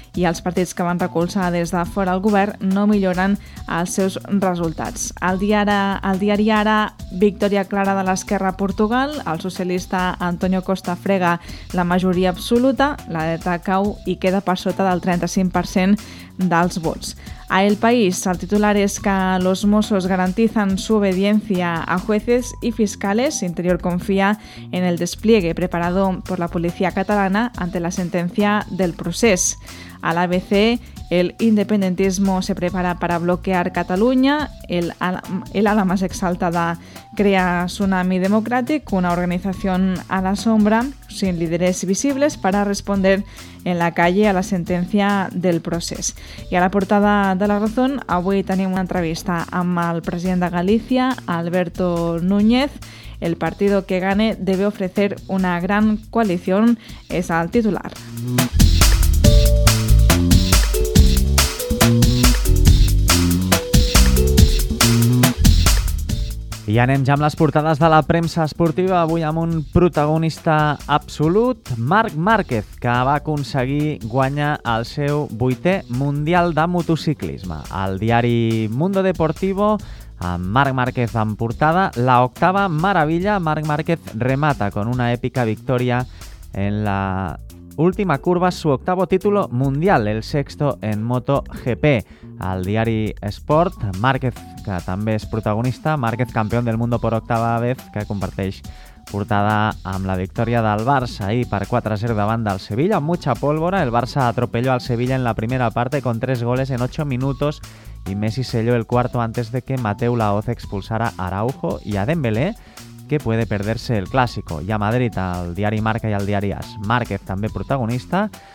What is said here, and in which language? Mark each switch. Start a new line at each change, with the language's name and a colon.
Catalan: I els partits que van recolzar des de fora el govern no milloren els seus resultats. El diari ara, victòria clara de l'esquerra a Portugal, el socialista Antonio Costa frega la majoria absoluta, la dreta cau i queda per sota del 35% dels vots. A El País, el titular és que
Spanish: los Mossos garantizan su obediencia a jueces y fiscales. Interior confía en el despliegue preparado por la policía catalana ante la sentencia del procés. A la ABC, el independentismo se prepara para bloquear Cataluña. El ala más exaltada crea Tsunami Democratic, una organización a la sombra, sin líderes visibles para responder en la calle a la sentencia del procés.
Catalan: I a la portada de La Razón, avui tenim una entrevista amb el president de Galícia, Alberto Núñez.
Spanish: El partido que gane debe ofrecer una gran coalición,
Catalan: és el titular. I anem ja amb les portades de la premsa esportiva, avui amb un protagonista absolut, Marc Márquez, que va aconseguir guanyar el seu 8è Mundial de Motociclisme. El diari Mundo Deportivo, amb Marc Márquez en portada, la 8a meravella.
Spanish: Marc Márquez remata con una èpica victòria en la última curva, su 8º título mundial, el 6º en MotoGP.
Catalan: Al diari Sport, Márquez, que també és protagonista, Márquez campió del món per 8a vez, que comparteix portada amb la victòria del Barça ahir per 4-0 davant del Sevilla.
Spanish: Mucha pólvora, el Barça atropelló al Sevilla en la primera parte con 3 goles en 8 minutos y Messi selló el cuarto antes de que Mateu Laoz expulsara a Araujo y a Dembélé, que puede perderse el clàssico.
Catalan: I a Madrid, al diari Marca i al diari AS, Márquez també protagonista.